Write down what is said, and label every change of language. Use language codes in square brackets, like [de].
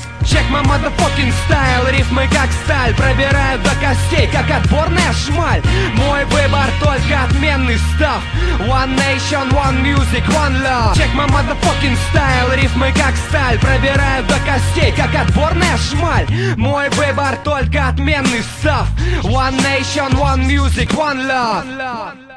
[en] Check my motherfucking style, [ru] рифмы как сталь, пробирают до костей, как отборная шмаль. Мой выбор только отменный став. [en] One nation, one music, one love. Check my motherfucking style, [ru] рифмы как сталь, пробирают до костей, как отборная шмаль. Мой выбор только отменный став. [en] One nation, one music, one love.